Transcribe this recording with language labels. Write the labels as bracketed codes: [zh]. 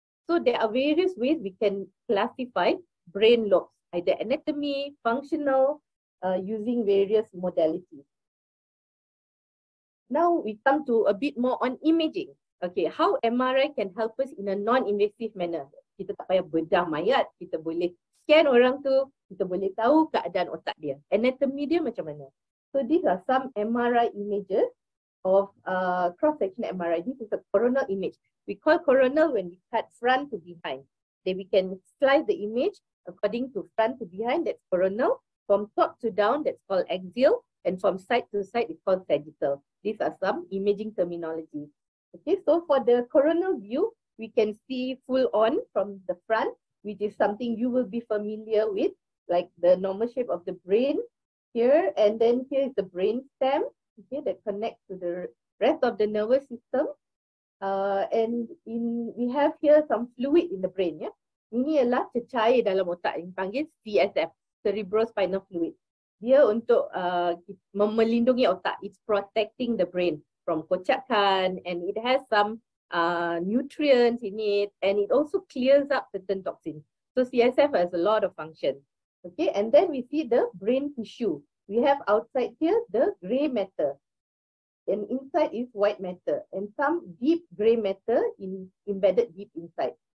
[en] So there are various ways we can classify brain lobes, either anatomy, functional, using various modalities. Now we come to a bit more on imaging. Okay, how MRI can help us in a non-invasive manner. [ms] Kita tak payah bedah mayat, kita boleh scan orang tu, kita boleh tahu keadaan otak dia. Anatomy dia macam mana. [en] So these are some MRI images of cross-sectional MRI. This is a coronal image. We call coronal when we cut front to behind. Then we can slice the image according to front to behind, that's coronal. From top to down, that's called axial. And from side to side, it's called sagittal. These are some imaging terminology. Okay, so for the coronal view, we can see full on from the front, which is something you will be familiar with, like the normal shape of the brain. Here, and then here is the brain stem, okay, that connects to the rest of the nervous system. And in we have here some fluid in the brain. Yeah? [ms] Ini ialah cecair dalam otak yang panggil CSF, [en] cerebrospinal fluid. [ms] Dia untuk melindungi otak. [en] It's protecting the brain from kocakan, and it has some nutrients in it, and it also clears up certain toxins. So CSF has a lot of function. Okay, and then we see the brain tissue. We have outside here the gray matter, and inside is white matter, and some deep gray matter in embedded deep inside.